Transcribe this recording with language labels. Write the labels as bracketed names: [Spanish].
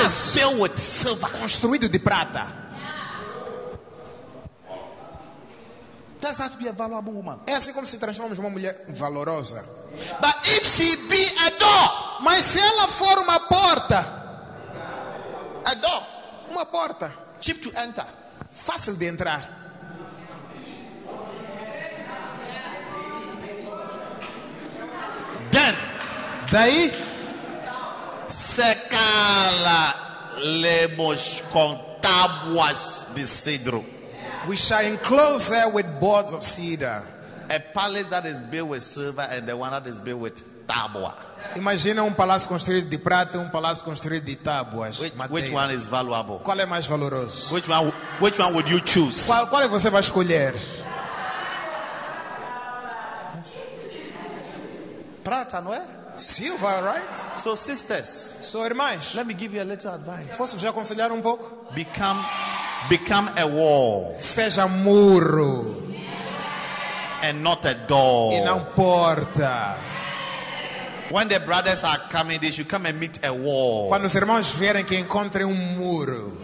[English] That's filled with silver. [Portuguese] Construído de prata. [English] That's how to be a valuable woman. [Portuguese] É assim como se transforma em uma mulher valorosa. [English] But if she be a door, [Portuguese] mas se ela for uma porta, [English] a door, [Portuguese] uma porta, [English] cheap to enter, [Portuguese] fácil de entrar. [English] Then, [Portuguese] daí, secala lemos com tábuas de cedro. [English] We shall enclose her with boards of cedar. A palace that is built with silver and the one that is built with tábua. [Portuguese] Imagina palácio construído de prata, palácio construído de tábuas. [English] Which one is valuable? [Portuguese] Qual é mais valoroso? [English] Which one would you choose? [Portuguese] Qual é você vai escolher? Prata, não é? [English] Silver, right? So sisters. [Portuguese] So irmãs. [English] Let me give you a little advice. [Portuguese] Posso já aconselhar pouco? [English] Become a wall. [Portuguese] Seja muro. [English] And not a door. [Portuguese] E não porta. [English] When the brothers are coming, they should come and meet a wall. [Portuguese] Quando os irmãos vierem, que encontrem muro.